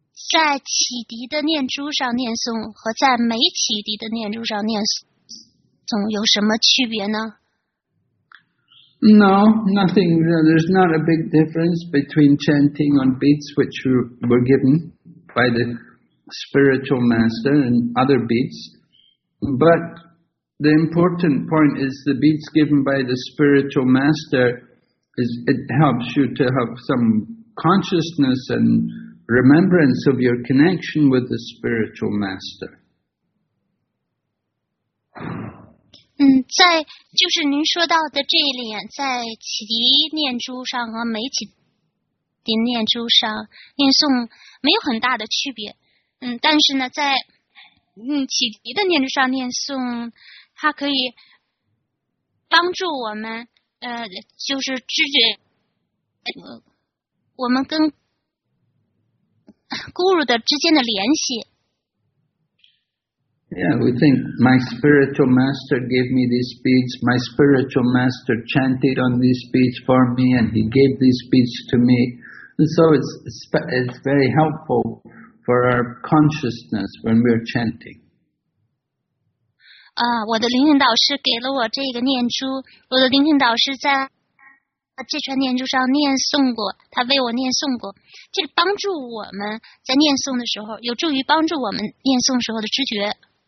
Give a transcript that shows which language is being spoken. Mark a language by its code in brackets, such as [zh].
[zh] 在启迪的念珠上念诵和在没启迪的念珠上念诵有什么区别呢？ [en] No, nothing. There's not a big difference between chanting on beats which were given by the spiritual master and other beats. But the important point is the beats given by the spiritual master it helps you to have some consciousness andremembrance of your connection with the spiritual master. [zh] 在就是您说到的这一点，在启迪念珠上和没启迪念珠上念诵没有很大的区别。但是呢，在启迪的念珠上念诵，它可以帮助我们，就是知觉，我们跟Guru 的之间的联系。 [en] Yeah, we think my spiritual master gave me these beads. My spiritual master chanted on these beads for me, and he gave these beads to me. And so it's very helpful for our consciousness when we're chanting. [zh] 我的灵性导师给了我这个念珠。我的灵性导师在这串念珠上念诵过，他为我念诵过，这是帮助我们在念诵的时候，有助于帮助我们念诵时候的知觉。